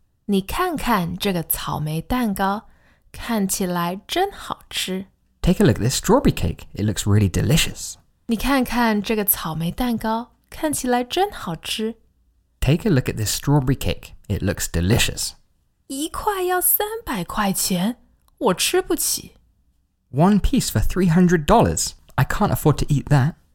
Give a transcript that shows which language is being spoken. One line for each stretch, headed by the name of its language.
Chinese: 你看看这个草莓蛋糕,看起来真好吃。
English: Take a look at this strawberry cake, it looks really delicious.
Chinese: 你看看这个草莓蛋糕，看起来真好吃。
English: Take a look at this strawberry cake. It looks delicious.
Chinese: 一块要300块钱，我吃不起。
English: One piece for $300. I can't afford to eat that.